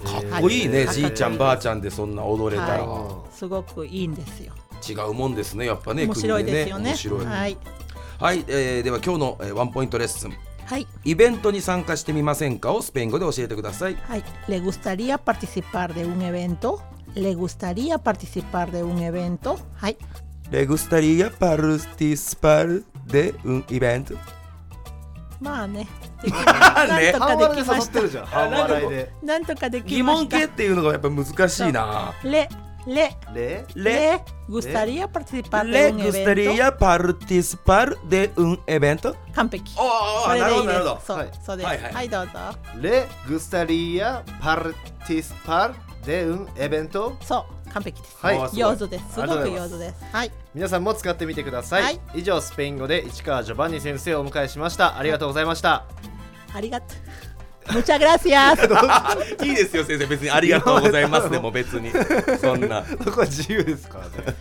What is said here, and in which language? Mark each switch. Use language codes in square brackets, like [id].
[ja] かっこいいね、じいちゃんばあちゃんでそんな踊れたら、はい、すごくいいんですよ。違うもんですね、やっぱね、面白いですよ ね、面白い。はい、はい、では今日のワンポイントレッスン、はい、イベントに参加してみませんかをスペイン語で教えてください。 [es] はい、Le gustaría participar de un evento? Le gustaría participar de un evento? [ja] はい、 [es] Le gustaría participar de un event? [ja] まあね、なんとかできました。なんとかできました。疑問形っていうのがやっぱ難しいな。 [es] Le gustaría participar de un evento? Le gustaría participar de un event? [ja] 完璧。おー、なるほどなるほど。そう、そうです。はい、どうぞ。 [es] Le gustaría participar de un event? [ja] そう、完璧です。はい、上手です。すごく上手です。はい、皆さんも使ってみてください。はい、以上、スペイン語で市川ジョバンニ先生をお迎えしました。ありがとうございました。はい、ありがとう。 [es] Muchas gracias。 [ja] いいですよ先生、別にありがとうございますでも別にそんなそこは自由ですからね。